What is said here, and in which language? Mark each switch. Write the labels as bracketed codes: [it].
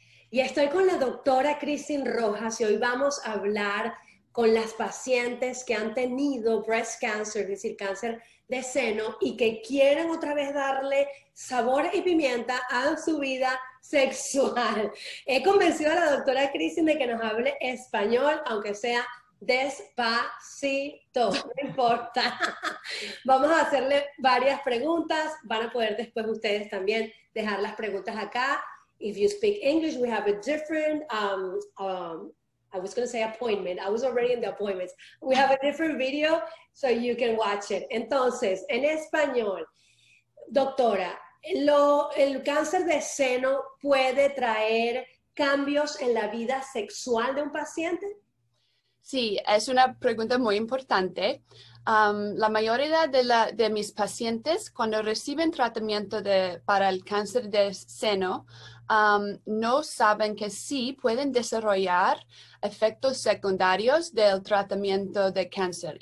[es] Y estoy con la doctora Kristin Rojas y hoy vamos a hablar con las pacientes que han tenido breast cancer, es decir, cáncer de seno, y que quieren otra vez darle sabor y pimienta a su vida sexual. He convencido a la doctora Kristin de que nos hable español, aunque sea despacito, no importa. Vamos a hacerle varias preguntas, van a poder después ustedes también dejar las preguntas acá. [en] If you speak English, we have a different, I was going to say appointment. I was already in the appointments. We have a different video, so you can watch it. [es] Entonces, en español, doctora, el cáncer de seno puede traer cambios en la vida sexual de un paciente? Sí, es una pregunta muy importante. La mayoría de mis pacientes, cuando reciben tratamiento para el cáncer de seno, no saben que sí pueden desarrollar efectos secundarios del tratamiento de cáncer.